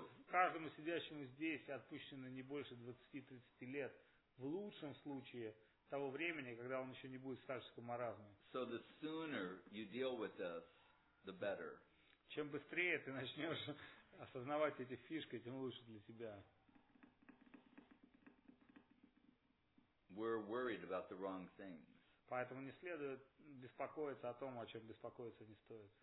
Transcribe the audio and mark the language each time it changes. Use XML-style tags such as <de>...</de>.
<ru>Каждому сидящему здесь отпущено не больше 20-30 лет, в лучшем случае того времени, когда он еще не будет в старческом маразме.</ru> <en>So the sooner you deal with this, the better.</en> <ru>Чем быстрее ты начнешь осознавать эти фишки, тем лучше для тебя.</ru> <en>We're worried about the wrong things.</en> <ru>Поэтому не следует беспокоиться о том, о чем беспокоиться не стоит.</ru>